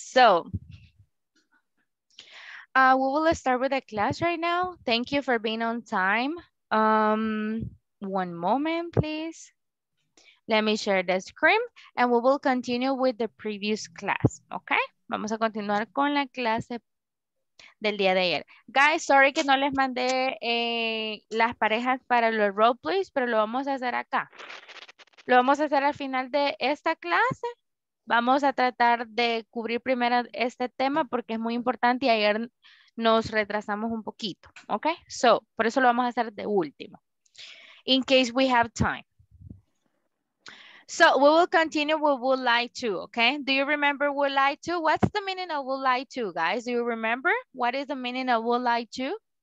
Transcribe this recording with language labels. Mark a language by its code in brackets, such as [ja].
[en] So, we will start with the class right now. Thank you for being on time. One moment, please. Let me share the screen and we will continue with the previous class. Okay? [es] Vamos a continuar con la clase del día de ayer. [en] Guys, sorry [es] que no les mandé las parejas para los role plays, pero lo vamos a hacer acá. Lo vamos a hacer al final de esta clase. Vamos a tratar de cubrir primero este tema porque es muy importante y ayer nos retrasamos un poquito, ¿ok? So, por eso lo vamos a hacer de último. [en] In case we have time. So, we will continue with would like to, ¿ok? Do you remember would like to? What's the meaning of would like to, guys? Do you remember? What is the meaning of would like to?